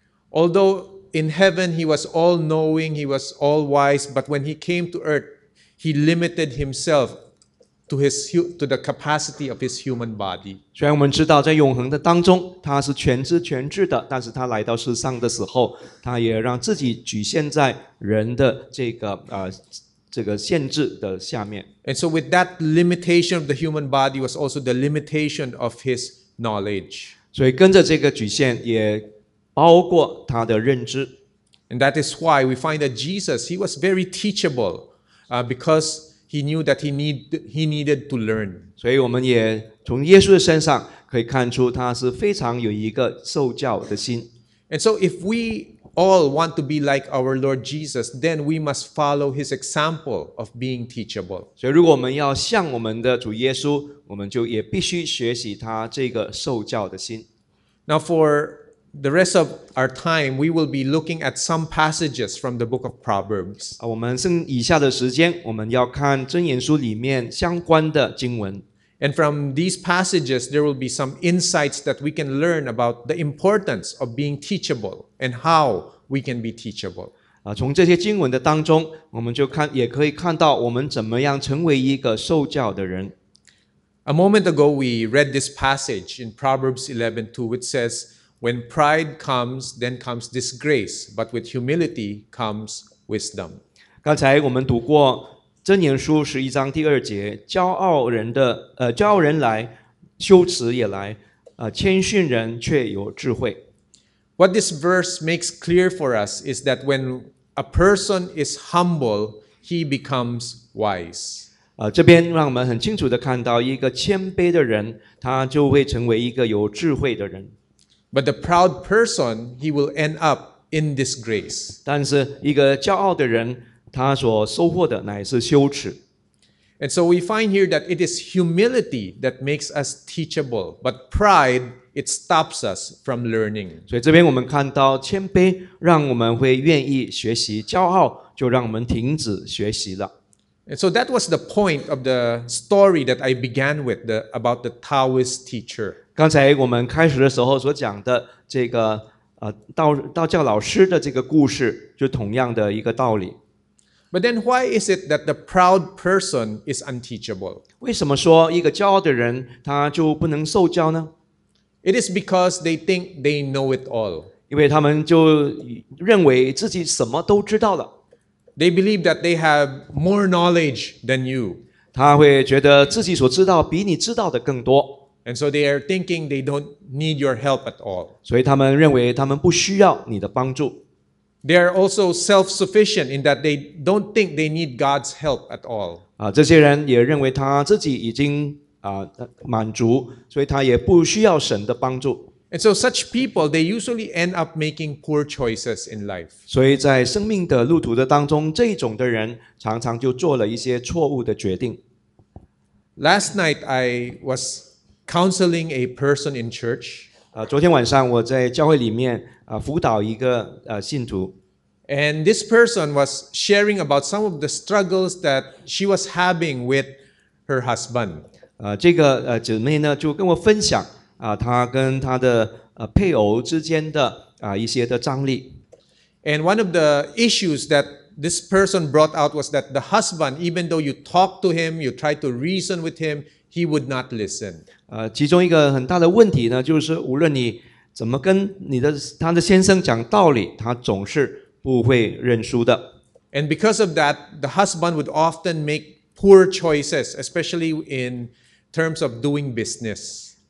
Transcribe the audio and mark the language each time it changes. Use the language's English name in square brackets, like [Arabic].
[English] Although in heaven he was all knowing, he was all wise, but when he came to earth, he limited himself to the capacity of his human body. [Chinese] 虽然我们知道在永恒的当中他是全知全智的，但是他来到世上的时候，他也让自己局限在人的这个限制的下面。 [English] And so with that limitation of the human body was also the limitation of his knowledge. [Chinese] 所以跟着这个局限也包括他的认知。 [English] And that is why we find that Jesus, he was very teachable, becausehe knew that he needed to learn. [Chinese] 所以我们也从耶稣的身上可以看出他是非常有一个受教的心。 [English] And so if we all want to be like our Lord Jesus, then we must follow his example of being teachable. [Chinese] 所以如果我们要像我们的主耶稣，我们就也必须学习他这个受教的心。 [English] Now for the rest of our time, we will be looking at some passages from the book of Proverbs. [Chinese] 我们剩以下的时间，我们要看箴言书里面相关的经文。 [English] And from these passages, there will be some insights that we can learn about the importance of being teachable and how we can be teachable. [Chinese] 从这些经文的当中，我们就看，也可以看到我们怎么样成为一个受教的人。 [English] A moment ago, we read this passage in Proverbs 11:2, which says,When pride comes, then comes disgrace, but with humility comes wisdom. [Chinese] 刚才我们读过箴言书十一章第二节，骄傲人来，羞耻也来，谦逊人却有智慧。 [English] What this verse makes clear for us is that when a person is humble, he becomes wise. [Chinese] 这边让我们很清楚地看到，一个谦卑的人，他就会成为一个有智慧的人。 [English] But the proud person, he will end up in disgrace. [Chinese] 但是一个骄傲的人，他所收获的乃是羞耻。 [English] And so we find here that it is humility that makes us teachable, but pride, it stops us from learning. [Chinese] 所以这边我们看到谦卑让我们会愿意学习，骄傲就让我们停止学习了。 [English] And so that was the point of the story that I began with, about the Taoist teacher. [Chinese] 刚才我们开始的时候所讲的这个道教老师的这个故事，就同样的一个道理。 [English] But then why is it that the proud person is unteachable? [Chinese] 为什么说一个骄傲的人他就不能受教呢？ [English] It is because they think they know it all. [Chinese] 因为他们就认为自己什么都知道了。 [English] They believe that they have more knowledge than you. [Chinese] 他会觉得自己所知道比你知道的更多。 [English] And so they are thinking they don't need your help at all. [Chinese] 所以他们认为他们不需要你的帮助。 [English] They are also self-sufficient in that they don't think they need God's help at all. [Chinese] 这些人也认为他自己已经满足，所以他也不需要神的帮助。 [English] And so such people, they usually end up making poor choices in life. [Chinese] 所以在生命的路途的当中，这种的人常常就做了一些错误的决定。 [English] Last night, I was counseling a person in church. [Chinese] 昨天晚上我在教会里面辅导一个信徒。 [English] And this person was sharing about some of the struggles that she was having with her husband. [Chinese] 这个姊妹呢就跟我分享。他跟他的配偶之间的一些的张力。 [English] And one of the issues that this person brought out was that the husband, even though you talk to him, you try to reason with him, he would not listen. [Chinese] 其中一个很大的问题呢，就是无论你怎么跟他的先生讲道理，他总是不会认输的。 [English] And because of that, the husband would often make poor choices, especially in terms of doing business.